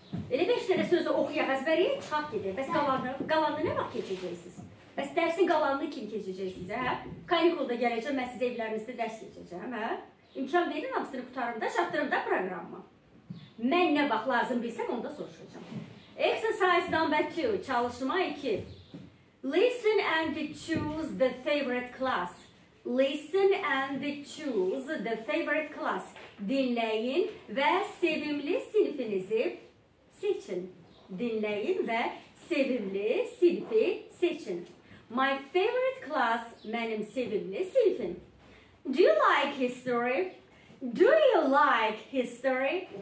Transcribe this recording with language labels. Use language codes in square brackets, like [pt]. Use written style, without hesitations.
[az] Elə 5 dənə sözlə oxuyaq, əzbəriyə çıxaq gedir. Bəs qalanı nə vaxt keçəcəksiniz? Bəs dərsin qalanını kim keçəcək sizə, hə? Kanikulda gələcəm, mən sizə evlərinizdə dərs keçəcəm, hə? İmkan verin, hamısını qutarım da, çatdırım da proqramma. Mən nə vaxt lazım bilsəm, onu da soruşacaq. [en] Exercise number 2, [az] çalışma 2. [en] Listen and choose the favorite class. Listen and choose the favorite class. [az] Dinləyin və sevimli sinifinizi seçin. Dinləyin və sevimli sinifi seçin. [en] My favorite class, [az] mənim sevimli sinifim. [en] Do you like history? Do you like history?